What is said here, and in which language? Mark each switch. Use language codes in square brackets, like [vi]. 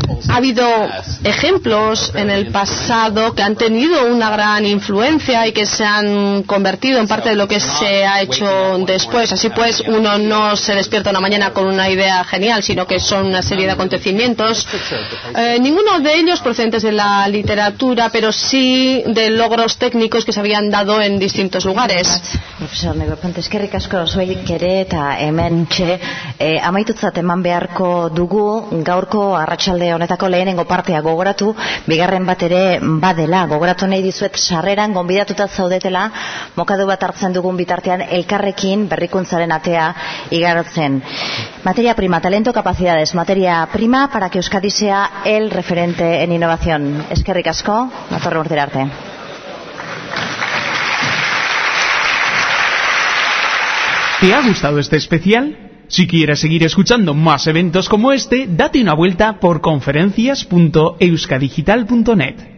[es] Ha habido ejemplos en el pasado que han tenido una gran influencia y que se han convertido en parte de lo que se ha hecho después. Así pues, uno no se despierta una mañana con una idea genial, sino que son una serie de acontecimientos. Ninguno de ellos procedentes de la literatura, pero sí de logros técnicos que se habían dado en distintos lugares. [eu] Profesor Negroponte, eskerrik asko zuei ere eta hementxe amaitutzat eman beharko dugu gaurko arratsalde honetako lehenengo partea gogoratu, bigarren bat ere badela. Gogoratu nahi dizuet sarreran gonbidatuta zaudetela, mokadu bat hartzen dugun bitartean elkarrekin berrikuntzaren atea igarotzen. [es] Materia prima, talento, capacidades. Materia prima para que Euskadi sea el referente en innovación. [eu] Eskerrik asko, datorren urtera arte. [es] ¿Te ha gustado este especial? Si quieres seguir escuchando más eventos como este, date una vuelta por conferencias.euskadigital.net.